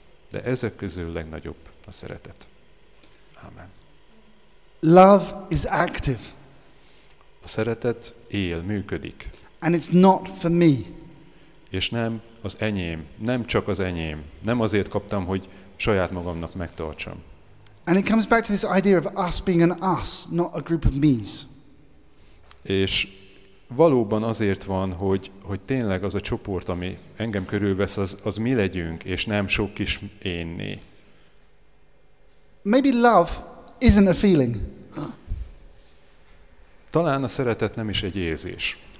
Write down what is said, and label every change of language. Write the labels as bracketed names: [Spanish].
[Hungarian] De ezek közül legnagyobb a szeretet. Amen. [English] Love is active. [Hungarian] A szeretet él, működik. [English] And it's not for me. [Hungarian] És nem az enyém, nem csak az enyém. Nem azért kaptam, hogy saját magamnak megtartsam. [English] And it comes back to this idea of us being an us, not a group of me's. [Hungarian] És valóban azért van, hogy tényleg az a csoport, ami engem körülvesz, az mi legyünk, és nem sok kis énné. [English] Maybe love isn't a feeling. [Hungarian] Talán a szeretet nem is egy érzés.